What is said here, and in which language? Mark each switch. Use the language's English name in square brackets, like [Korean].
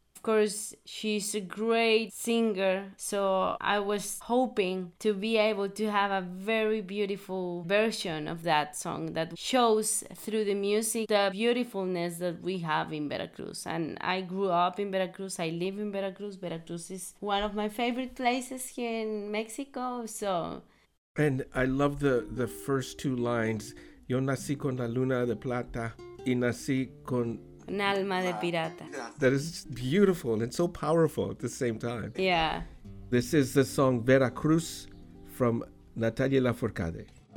[English] Of course, she's a great singer. So I was hoping to be able to have a very beautiful version of that song that shows through the music the beautifulness that we have in Veracruz. And I grew up in Veracruz. I live in Veracruz. Veracruz is one of my favorite places here in Mexico. So, and I love the first two lines. [Spanish] Yo nací con la luna de plata y nací con... An alma de pirata. [English] That is beautiful and so powerful at the same time. Yeah. This is the song Veracruz from Natalia Lafourcade.